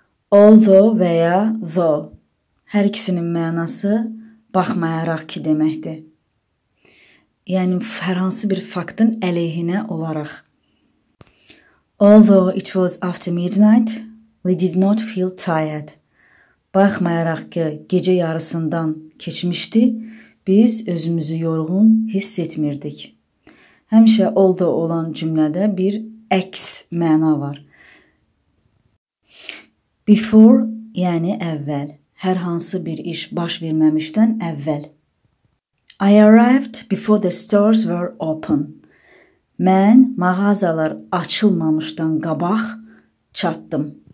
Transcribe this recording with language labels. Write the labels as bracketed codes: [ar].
[az] Although və ya though. Hər ikisinin mənası baxmayaraq ki deməkdir. Yəni, hər hansı bir faktın əleyhinə olaraq. [en] Although it was after midnight, we did not feel tired. [az] Baxmayaraq ki, gecə yarısından keçmişdi, biz özümüzü yorğun hiss etmirdik. Həmişə although olan cümlədə bir əks məna var. Before, yəni əvvəl. Hər hansı bir iş baş verməmişdən əvvəl. [en] I arrived before the stores were open. [az] Mən mağazalar açılmamışdan qabaq çatdım.